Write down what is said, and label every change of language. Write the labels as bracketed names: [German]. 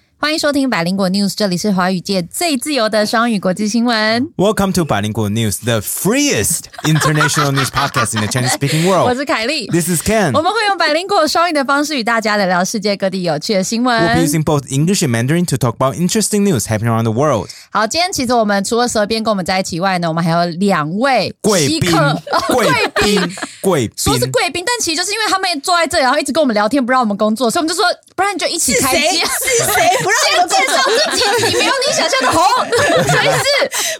[Chinese] 迎收听百灵果 News， 这里是华语界最自由的双语国际新闻。 [English] Welcome to 百灵果 News, the freest international news podcast in the Chinese speaking world. [Chinese] 我是凯莉。 [English] This is Ken. [Chinese] 我们会用百灵果双语的方式与大家聊聊世界各地有趣的新闻。 [English] We'll be using both English and Mandarin to talk about interesting news happening around the world. [Chinese] 好，今天其实我们除了蛇边跟我们在一起外呢，我们还有两位贵宾。贵宾。说是贵宾，但其实就是因为他们坐在这里，然后一直跟我们聊天，不让我们工作，所以我们就说，不然你就一起开机。是谁不让我们介绍自己？你没有你想象的红，谁是？